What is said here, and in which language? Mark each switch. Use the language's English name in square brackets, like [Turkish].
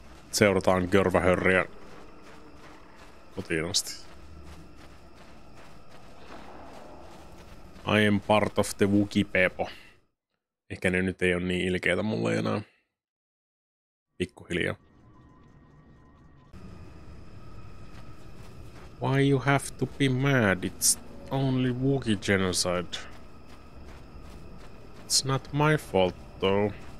[Finnish] Seurataan Görvahörriä kotiin asti. [English] I am part of the Wookiee people. [Finnish] Ehkä ne nyt ei ole niin ilkeitä mulle enää. Pikkuhiljaa. [English] Why you have to be mad? It's only Wookiee genocide. It's not my fault though.